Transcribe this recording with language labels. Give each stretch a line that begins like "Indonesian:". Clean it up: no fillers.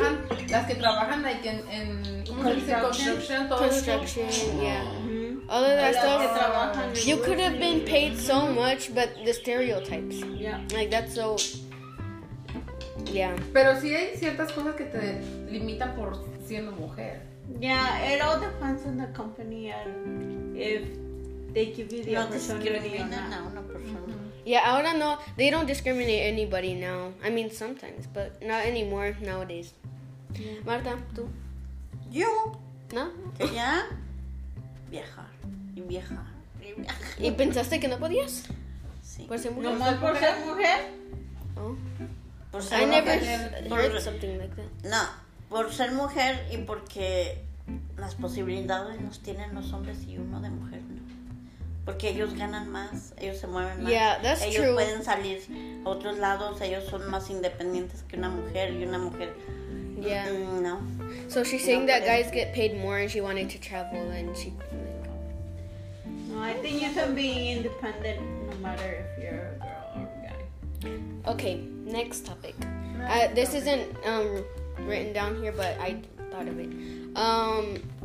Spanish: Trabajan, las que trabajan, like, en construction, todo
English: construction,
Spanish: eso.
English: Yeah. Mm-hmm. All of that stuff, you could have been paid so much, but the stereotypes. Yeah. Like, that's so... Yeah.
Spanish: Pero sí hay ciertas cosas que te limitan por siendo mujer.
English: Yeah, it all depends on the company and if they give you the opportunity or not. Yeah, I don't know. They don't discriminate anybody now. I mean, sometimes, but not anymore nowadays. Yeah.
Spanish: Marta, tú?
English: You? No?
Spanish: Yeah? Viajar. Y vieja. ¿Y pensaste que no podías? Sí. ¿Por ser mujer? ¿No más por ser mujer? No. Por ser mujer.
English: Something like that.
Spanish: No. Por ser mujer y porque las posibilidades nos tienen los hombres y uno de mujer, ¿no? Porque ellos ganan más, ellos se mueven más.
English: Yeah, that's
Spanish: ellos
English: true.
Spanish: Ellos pueden salir a otros lados, ellos son más independientes que una mujer y una mujer...
English: Yeah. No. So she's saying that guys get paid more and she wanted to travel and she... I think you can be independent no matter if you're a girl or a guy. Okay, next topic. This isn't written down here, but I thought of it.